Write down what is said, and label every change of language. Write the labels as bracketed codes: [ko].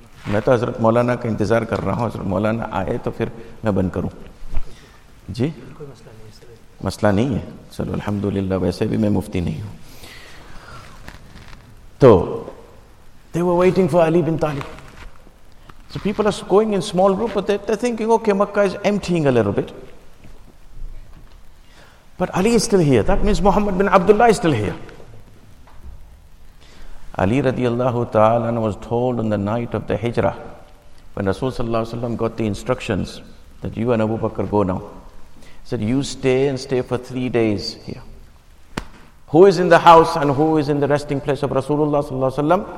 [ur] میں تو حضرت مولانا کا انتظار کر رہا ہوں, حضرت مولانا آئے تو پھر میں بند کروں. جی مسئلہ نہیں ہے, چلو الحمدللہ, ویسے بھی میں مفتی نہیں ہوں. [en] تو they were waiting for علی بن طالب, so people are going in small group, but they are thinking okay Mecca is emptying a little bit, but علی is still here, that means محمد بن عبداللہ is still here. Ali radiallahu ta'ala was told on the night of the Hijrah, when Rasul sallallahu alayhi wa sallam got the instructions that you and Abu Bakr go now, he said, you stay and stay for 3 days here. Who is in the house and who is in the resting place of Rasulullah sallallahu alayhi wa sallam?